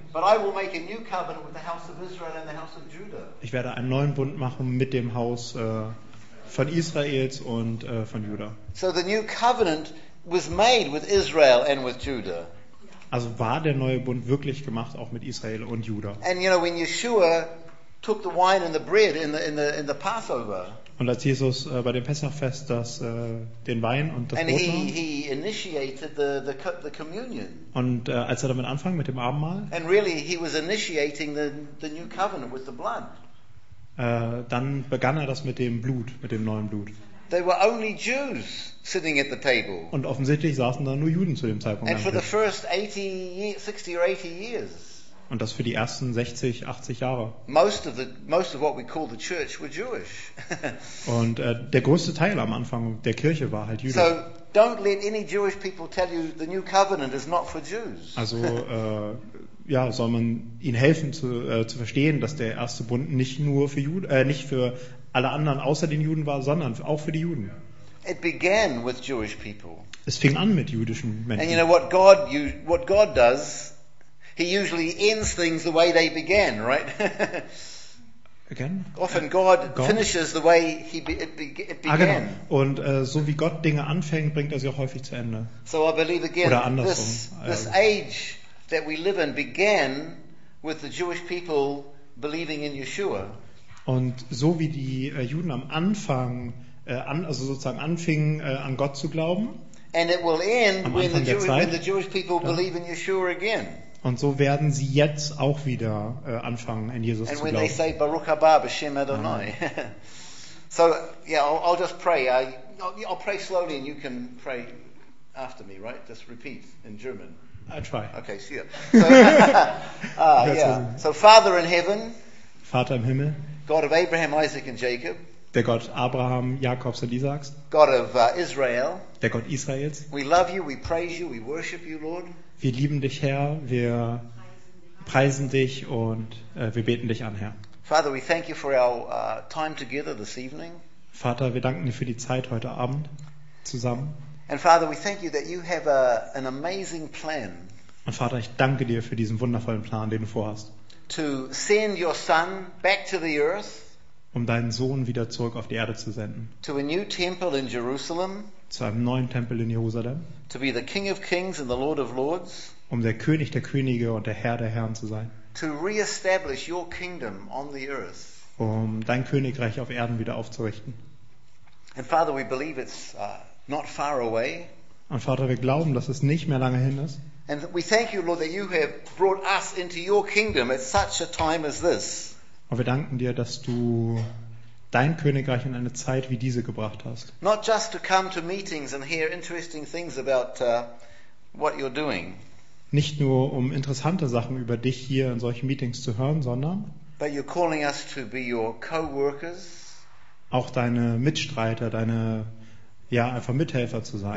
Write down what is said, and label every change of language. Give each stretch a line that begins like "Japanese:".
English: But I will make a new covenant with the house of Israel and the house of Judah.
German: Ich werde einen neuen Bund machen mit dem Haus von Israels und von Juda.
English: So the new covenant was made with Israel and with Judah.
German: Also war der neue Bund wirklich gemacht auch mit Israel und Juda.
English: And you know when Yeshua took the wine and the bread in the Passover.
German: Und als Jesus bei dem Pessachfest den Wein und das Brot nahm. Und als er damit anfing mit dem Abendmahl.
English: And really he was initiating the new covenant with the blood.
German: Dann begann er das mit dem Blut, mit dem neuen Blut.
English: They were only Jews sitting at the table.
German: Und offensichtlich saßen da nur Juden zu dem Zeitpunkt.
English: And for the first 60 or 80 years.
German: Und das für die ersten 60, 80 Jahre.
English: Most of what we call the church were Jewish.
German: Und der größte Teil am Anfang der Kirche war halt jüdisch.
English: So don't let any Jewish people tell you the new covenant is not for Jews.
German: Also soll man ihnen helfen zu verstehen, dass der erste Bund nicht nur für nicht für alle anderen außer den Juden war, sondern auch für die Juden.
English: It began with Jewish people.
German: Es fing an mit jüdischen Menschen.
English: And you know what God does. He usually ends things the way they began, right? Again? Often God finishes the way it began.
German: Ah, genau. Und so wie Gott Dinge anfängt, bringt er sie auch häufig zu Ende.
English: So I believe again,
German: oder andersrum.
English: This age that we live in began with the Jewish people believing in Yeshua.
German: Und so wie die Juden am Anfang anfingen an Gott zu glauben.
English: And it will end when the Jewish people believe in Yeshua again.
German: Und so werden sie jetzt auch wieder anfangen, in Jesus
English: and
German: zu glauben.
English: And when they say
Hebrew: Baruch Haba B'Shem Adonai.
English: So, yeah, I'll just pray. I'll pray slowly and you can pray after me, right? Just repeat in German. I try. Okay, see ya. So, So, Father in Heaven.
German: Vater im Himmel.
English: God of Abraham, Isaac and Jacob.
German: Der Gott Abraham, Jakobs und Isaaks.
English: God of Israel.
German: Der Gott Israels.
English: We love you, we praise you, we worship you, Lord.
German: Wir lieben dich, Herr, wir preisen dich und wir beten dich an, Herr.
English: Father, we thank you for our time together this evening.
German: Vater, wir danken dir für die Zeit heute Abend zusammen.
English: And Father, we thank you that you have an amazing plan.
German: Und Vater, ich danke dir für diesen wundervollen Plan, den du vorhast.
English: To send your son back to the earth.
German: Um deinen Sohn wieder zurück auf die Erde zu senden.
English: To a new temple in Jerusalem.
German: Zu einem neuen Tempel in Jerusalem.
English: To be the King of Kings and the Lord of Lords.
German: Um der König der Könige und der Herr der Herren zu sein.
English: To re-establish your kingdom on the earth.
German: Um dein Königreich auf Erden wieder aufzurichten.
English: And Father, we believe it's not far away.
German: Und Vater, wir glauben, dass es nicht mehr lange hin ist.
English: And we thank you, Lord, that you have brought us into your kingdom at such a time as this.
German: Und wir danken dir, dass du dein Königreich in eine Zeit wie diese gebracht hast.
English: Not just to come to meetings and hear interesting things about what you're doing.
German: Nicht nur um interessante Sachen über dich hier in solchen Meetings zu hören, sondern
English: but you're calling us to be your co-workers.
German: Auch deine Mitstreiter, deine ja einfach Mithelfer zu sein.